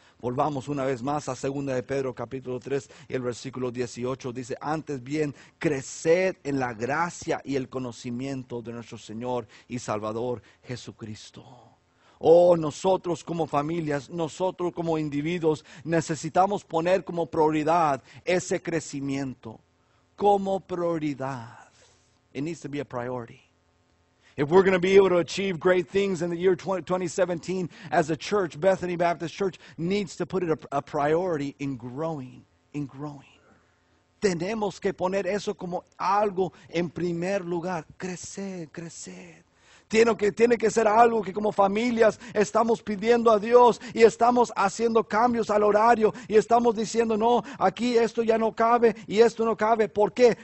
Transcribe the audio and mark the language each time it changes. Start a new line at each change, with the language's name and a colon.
Spanish: Volvamos una vez más a 2 de Pedro capítulo 3 y el versículo 18 dice: antes bien, creced en la gracia y el conocimiento de nuestro Señor y Salvador Jesucristo. Oh, nosotros como familias, nosotros como individuos necesitamos poner como prioridad ese crecimiento. Como prioridad.
English: It needs to be a priority. If we're going to be able to achieve great things in the year 2017 as a church, Bethany Baptist Church needs to put it a priority in growing.
Spanish: tenemos que poner eso como algo en primer lugar. Crecer, crecer. Tiene que ser algo que como familias estamos pidiendo a Dios y estamos haciendo cambios al horario y estamos diciendo, no, aquí esto ya no cabe y esto no cabe. ¿Por qué?